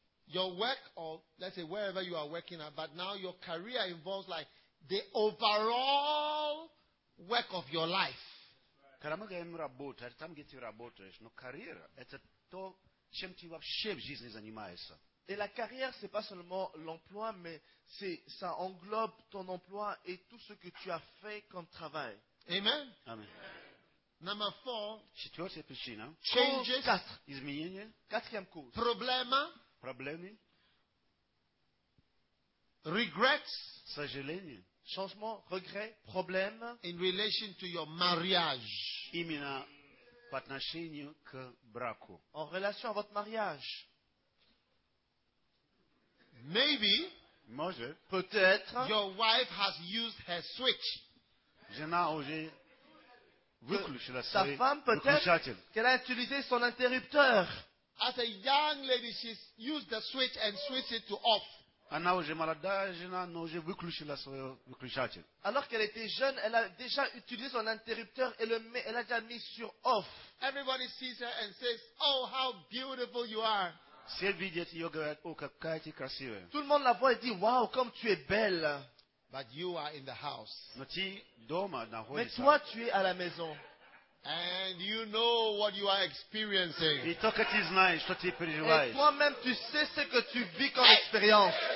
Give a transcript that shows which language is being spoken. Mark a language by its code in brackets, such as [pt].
[en] Your work, or let's say wherever you are working at, but now your career involves like the overall work of your life. [ru] Когда мы говорим работа, это там, где ты работаешь, но карьера – это то, чем ты вообще в жизни занимаешься. [fr] Et la carrière, c'est pas seulement l'emploi, mais c'est ça englobe ton emploi et tout ce que tu as fait comme travail. [en] Amen. Amen. Number four. [ru] Четвертая причина. [en] Changes. [fr] Quatre. [ru] Изменения. [fr] Quatrième cause. [en] Problema. [ru] Проблемы. [en] Regrets. [ru] Сожаление. [fr] Changement, regret, problème. [en] In relation to your marriage. [ru] Именно по отношению к браку. [fr] En relation à votre mariage. [en] Maybe. [ru] Может. [fr] Peut-être. [en] Your wife has used her switch. [ru] Жена уже выключила свой выключатель. [fr] Sa femme peut-être qu'elle a utilisé son interrupteur. [en] As a young lady, she's used the switch and switched it to off. [ru] Она уже молодая жена, но уже выключила свой выключатель. [fr] Alors qu'elle était jeune, elle a déjà utilisé son interrupteur et elle a déjà mis sur off. [en] Everybody sees her and says, "Oh, how beautiful you are!" [ru] Все видят ее, говорят, о, какая ты красивая. [fr] Tout le monde la voit et dit, "Wow, comme tu es belle!" [en] But you are in the house. [ru] Но ты дома находишься. [fr] Mais toi, tu es à la maison. [en] And you know what you are experiencing. [fr] Et toi-même, tu sais ce que tu vis comme expérience.